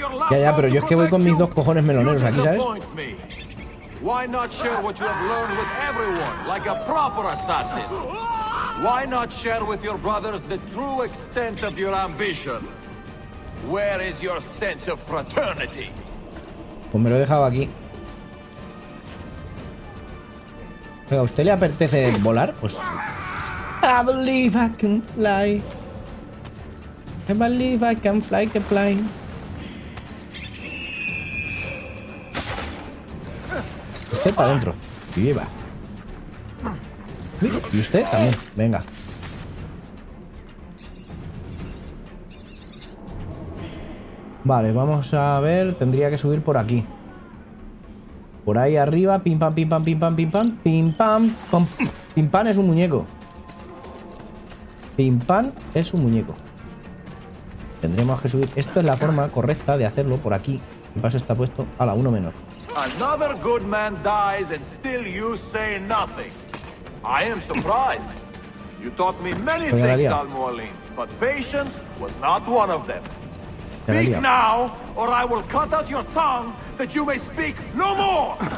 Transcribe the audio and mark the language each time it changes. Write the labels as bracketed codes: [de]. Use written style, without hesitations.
[es] Ya, pero yo es que voy con mis dos cojones meloneros aquí, ¿sabes? [en] Why not share what you have learned with everyone, like a proper assassin? Why not share with your brothers the true extent of your ambition? Where is your sense of fraternity? [es] Pues me lo he dejado aquí. Oiga, ¿a usted le apetece volar? Pues... [en] I believe I can fly. I believe I can fly the plane. [es] Usted para adentro. Viva. Y usted también, venga. Vale, vamos a ver. Tendría que subir por aquí. Por ahí arriba, pim pam, pim pam, pim pam, pim pam, pim pam, pam. Pim pam es un muñeco. Pim pam es un muñeco. Tendremos que subir. Esto es la forma correcta de hacerlo por aquí. El paso está puesto a la 1 menos. [en] Another good man dies and still you say nothing. I am surprised. You taught me many things, Al Mualim, but patience was not one of them. Speak now, or I will cut out your tongue that you may speak no more.